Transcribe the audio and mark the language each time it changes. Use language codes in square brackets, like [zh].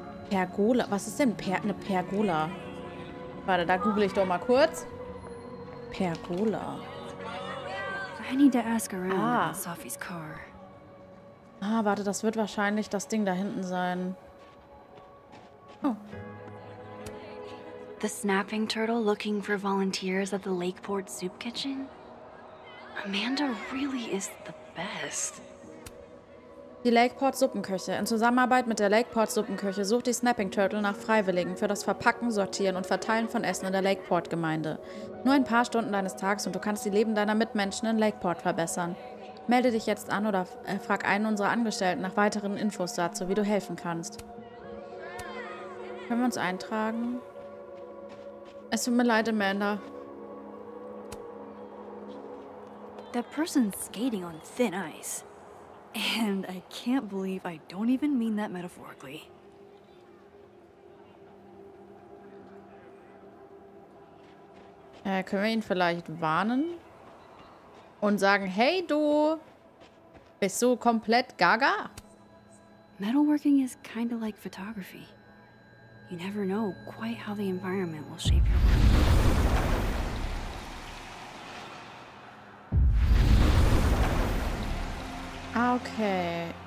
[de] Pergola? Was ist denn eine Pergola? Warte, da google ich doch mal kurz. Pergola. [en] I need to ask around in Sophie's car. [de] Ah, warte, das wird wahrscheinlich das Ding da hinten sein. Oh. [en] The snapping turtle looking for volunteers at the Lakeport soup kitchen? Amanda really is the best. [de] Die Lakeport Suppenküche. In Zusammenarbeit mit der Lakeport Suppenküche sucht die Snapping Turtle nach Freiwilligen für das Verpacken, Sortieren und Verteilen von Essen in der Lakeport Gemeinde. Nur ein paar Stunden deines Tages und du kannst die Leben deiner Mitmenschen in Lakeport verbessern. Melde dich jetzt an oder frag einen unserer Angestellten nach weiteren Infos dazu, wie du helfen kannst. Können wir uns eintragen? Es tut mir leid, Amanda. [en] That person's skating on thin ice. And I can't believe I don't even mean that metaphorically. [de] Können wir ihn vielleicht warnen? Und sagen, hey du, bist du komplett gaga? [en] Metalworking is kind of like photography. You never know quite how the environment will shape your work. Okay.